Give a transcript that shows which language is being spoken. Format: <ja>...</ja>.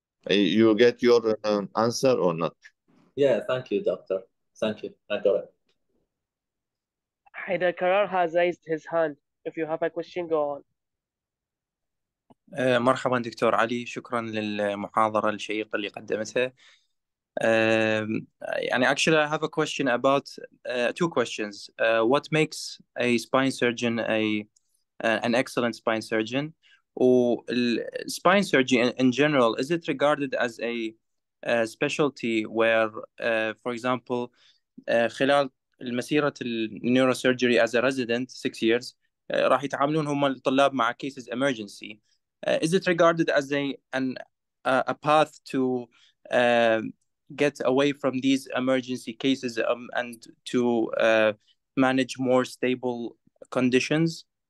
<en>You get your answer or not? Yeah, thank you, doctor. Thank you. I got it. Haider Karar has raised his hand. If you have a question, go on.</en> <ar>مرحبا دكتور علي. شكرا للمحاضرة الشيقة اللي قدمتها. يعني</ar> <en>actually, I have a question about two questions. What makes a spine surgeon an excellent spine surgeon? Or spine surgery in general, is it regarded as a specialty where, for example,</en> <ar>خلال المسيرة النيوروسيرجري</ar> <en>as a resident 6 years</en> <ar>راح يتعاملون هم الطلاب مع</ar> <en>cases emergency. Is it regarded as a path to get away from these emergency cases and to manage more stable conditions?</en>